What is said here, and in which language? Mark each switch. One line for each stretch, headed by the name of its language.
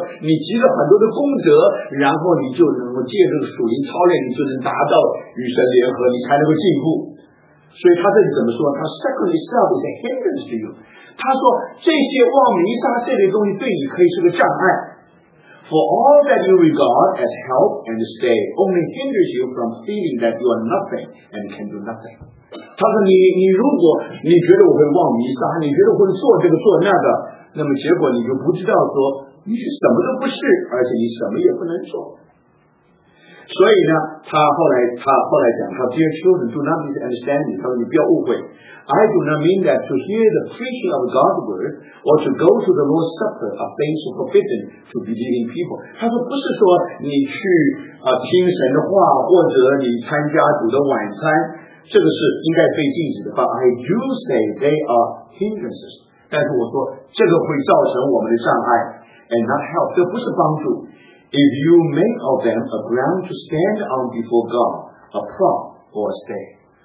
Chinese: 你积了很多的功德，然后你就能够借这个属灵操练，你就能达到与神联合，你才能够进步。所以他这里怎么说？他
English: second itself is a hindrance to you。
Chinese: 他说这些望弥撒这类东西对你可以是个障碍。
English: For all that you regard as help and stay only hinders you from feeling that you are nothing and can do nothing。
Chinese: 他说你如果你觉得我会望弥撒，你觉得我会做这个做那个，那么结果你就不知道说你是什么都不是，而且你什么也不能做。所以呢，他后来讲，他
English: Dear children, do not misunderstand me。
Chinese: 他说你不要误会，
English: I do not mean that to hear the preaching of God's word or to go to the Lord's Supper are things forbidden to believing people。
Chinese: 他说不是说你去听神的话，或者你参加主的晚餐，这个是应该被禁止的。
English: But I do say they are hindrances。
Chinese: 但是我说这个会造成我们的障碍。
English: And not help，
Chinese: 这不是帮助。
English: If you make of them a ground to stand on before God， a prop or a stay。